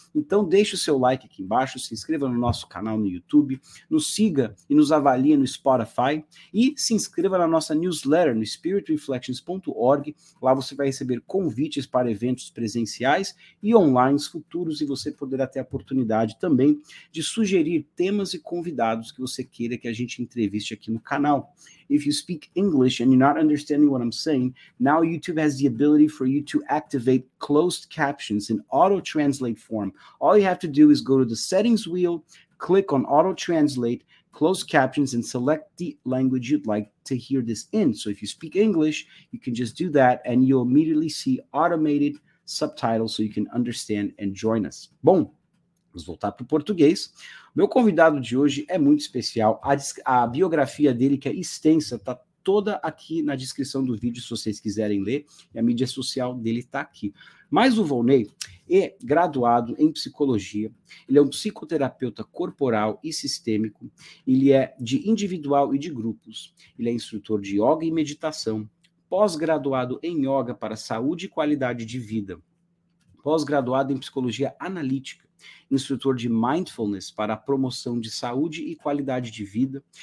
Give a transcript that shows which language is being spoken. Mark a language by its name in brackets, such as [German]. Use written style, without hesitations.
[Portuguese] Então, deixe o seu like aqui embaixo, se inscreva no nosso canal no YouTube, nos siga e nos avalie no Spotify e se inscreva na nossa newsletter no spiritreflections.org. Lá você vai receber convites para eventos presenciais e online futuros, e você poderá ter a oportunidade também de sugerir temas e convidados que você queira que a gente entreviste aqui no canal. [English] If you speak English and you're not understanding what I'm saying, now YouTube has the ability for you to activate closed captions in auto-translate form. All you have to do is go to the settings wheel, click on auto-translate, closed captions, and select the language you'd like to hear this in. So if you speak English, you can just do that and you'll immediately see automated subtitles so you can understand and join us. [Portuguese] Bom, vamos voltar para o português. Meu convidado de hoje é muito especial. A biografia dele, que é extensa, está toda aqui na descrição do vídeo, se vocês quiserem ler, e a mídia social dele está aqui. Mas o Volnei é graduado em psicologia, ele é um psicoterapeuta corporal e sistêmico, ele é de individual e de grupos, ele é instrutor de yoga e meditação, pós-graduado em yoga para saúde e qualidade de vida, pós-graduado em psicologia analítica, instrutor de mindfulness para a promoção de saúde e qualidade de vida.